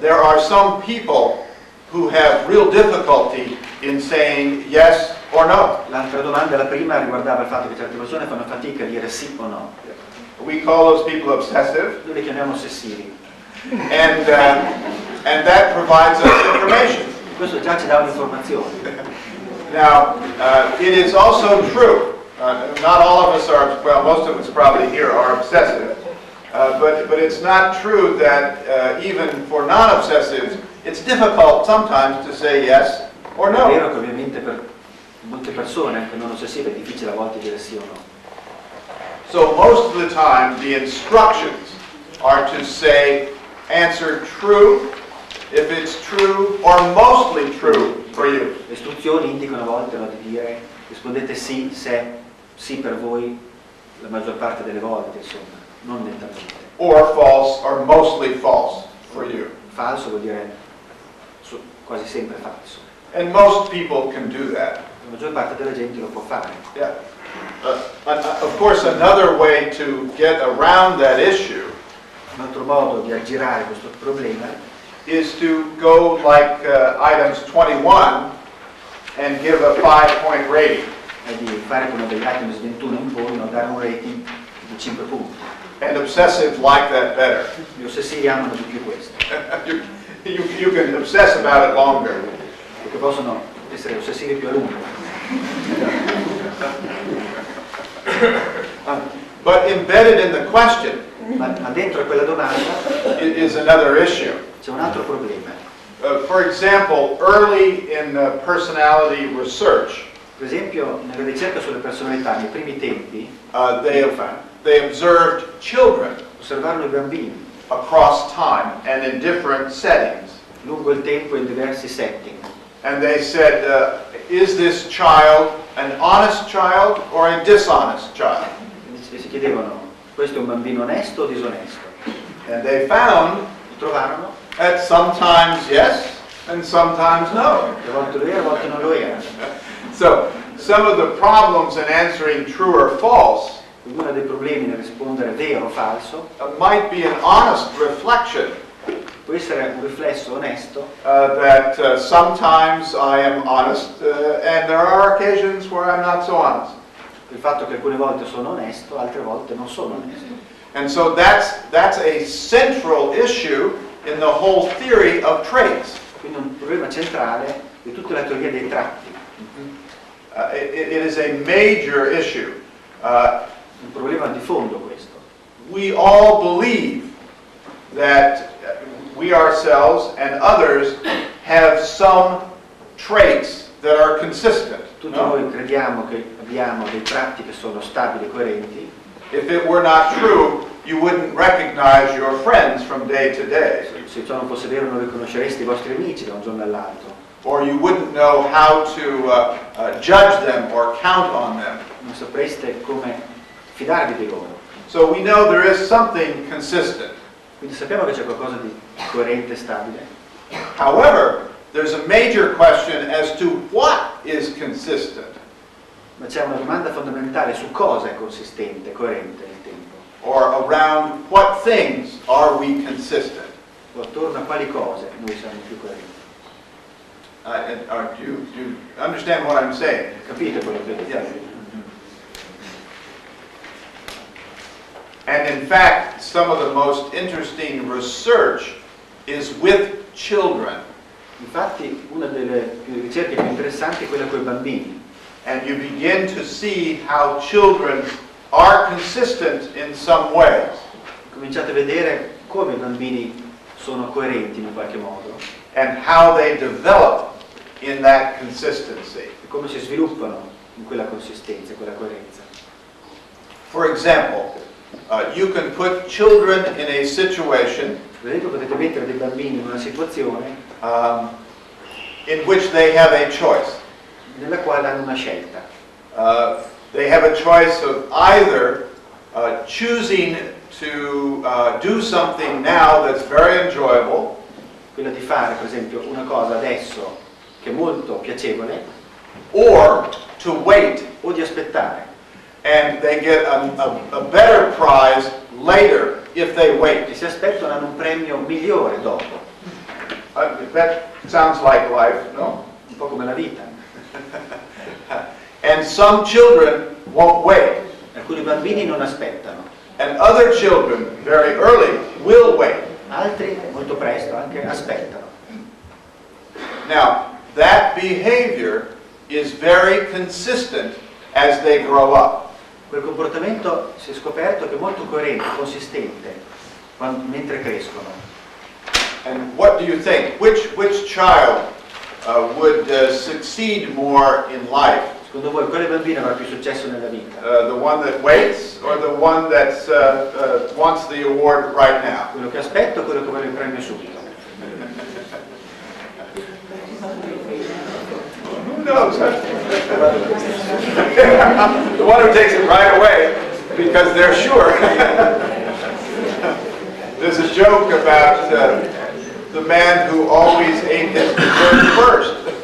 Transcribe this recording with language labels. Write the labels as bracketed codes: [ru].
[en] There are some people who have real difficulty in saying yes or no. [it] L'altra domanda, la prima, riguardava il fatto che certe persone fanno fatica a dire sì o no. [en] We call those people obsessive. [it] Noi li chiamiamo ossessivi. [en] And that provides us information. [it] Questo già ci dà un'informazione. [en] Now, it is also true. Not all of us are, well, most of us probably here are obsessive. But it's not true that even for non-obsessives, it's difficult sometimes to say yes or no. [it] È vero che ovviamente per molte persone che non ossessive è difficile a volte dire sì o no. [en] So most of the time the instructions are to say answer true, if it's true, or mostly true for you. [it] Le istruzioni indicano a volte di dire rispondete sì se sì per voi la maggior parte delle volte, insomma. Non [en] or false, or mostly false for you. [it] Falso vuol dire quasi sempre falso. [en] And most people can do that. [it] La maggior parte della gente lo può fare. [en] Yeah. Of course, another way to get around that issue. [it] Un altro modo di aggirare questo problema [en] is to go like items 21 and give a 5-point rating. [it] È di fare come degli items 21 in volume, dare un rating di 5 punti. [en] And obsessives like that better. [it] Gli ossessivi amano di più questo. [en] You can obsess about it longer. [it] Perché possono essere ossessivi più a lungo. [en] But embedded in the question. [it] Ma dentro quella domanda. [en] Is another issue. [it] C'è un altro problema. [en] For example, early in personality research. [it] Per esempio, nella ricerca sulle personalità, nei primi tempi. [en] They observed children [it] osservarono i bambini [en] across time and in different settings. [it] Lungo il tempo in diversi setting. [en] And they said, is this child an honest child or a dishonest child? [it] E si chiedevano, questo è un bambino onesto o disonesto? [en] And they found [it] trovarono [en] that sometimes yes and sometimes no. [it] A volte lo era, a volte non lo era. [en] So, some of the problems in answering true or false. [it] Uno dei problemi nel rispondere vero o falso [en] might be an honest reflection. [it] Può essere un riflesso onesto. [en] That sometimes I am honest, and there are occasions where I'm not so honest. [it] Il fatto che alcune volte sono onesto, altre volte non sono onesto. [en] And so that's a central issue in the whole theory of traits. [it] Quindi un problema centrale di tutta la teoria dei tratti. [en] It is a major issue. [it] un problema di fondo questo. [en] We all believe that we ourselves and others have some traits that are consistent. [it] Tutti noi crediamo che abbiamo dei tratti che sono stabili e coerenti. [en] If it were not true, you wouldn't recognize your friends from day to day. [it] Se ciò non fosse vero, non riconosceresti i vostri amici da un giorno all'altro. [en] Or you wouldn't know how to judge them or count on them. [it] Non sapreste come fidarvi di loro. [en] So we know there is something consistent. [it] Quindi sappiamo che c'è qualcosa di coerente e stabile. [en] However, there's a major question as to what is consistent. [it] Ma c'è una domanda fondamentale su cosa è consistente, coerente nel tempo. [en] Or around what things are we consistent? [it] O attorno a quali cose noi siamo più coerenti? [en] Do you understand what I'm saying? [it] Capite quello che dico? [en] Yes. And in fact, some of the most interesting research is with children. [it] Infatti, una delle ricerche più interessanti è quella con i bambini. [en] And you begin to see how children are consistent in some ways. [it] Cominciate a vedere come i bambini sono coerenti in un qualche modo. [en] And how they develop in that consistency. [it] E come si sviluppano in quella consistenza, quella coerenza. [en] For example, you can put children in a situation. [it] Per esempio, potete mettere dei bambini in una situazione. [en] In which they have a choice. [it] Nella quale hanno una scelta. [en] They have a choice of either choosing to do something now that's very enjoyable. [it] Quello di fare, per esempio, una cosa adesso che è molto piacevole. [en] Or to wait. [it] O di aspettare. [en] And they get a better prize later if they wait. [it] E si aspettano un premio migliore dopo. [en] That sounds like life, no? [it] Un po' come la vita. [en] And some children won't wait. [it] Alcuni bambini non aspettano. [en] And other children, very early, will wait. [it] Altri, molto presto, anche aspettano. [en] Now, that behavior is very consistent as they grow up. [it] Quel comportamento si è scoperto che è molto coerente, consistente, mentre crescono. [en] And what do you think? Which child would succeed more in life? [it] Secondo voi quale bambino avrà più successo nella vita? [en] The one that waits or the one that wants the award right now? [it] Quello che aspetta o quello che vuole il premio subito? [en] Who knows? The one who takes it right away because they're sure. There's a joke about the man who always ate his dessert first.